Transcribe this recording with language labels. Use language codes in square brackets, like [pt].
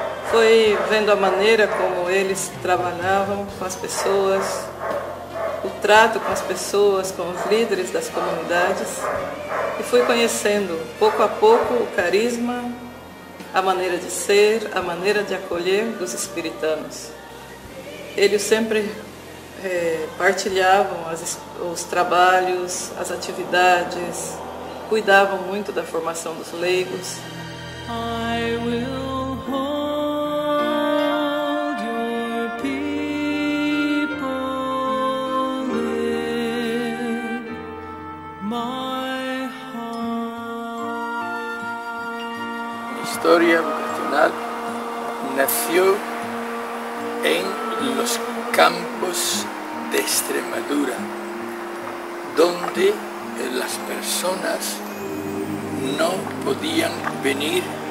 [pt] Foi vendo a maneira como eles trabalhavam com as pessoas, o trato com as pessoas, com os líderes das comunidades, e fui conhecendo pouco a pouco o carisma, a maneira de ser, a maneira de acolher dos espiritanos. Eles sempre partilhavam os trabalhos, as atividades, cuidavam muito da formação dos leigos. [en] I will hold your people in my heart. [pt] A história vocacional nasceu em [es] los campos de Extremadura, donde las personas no podían venir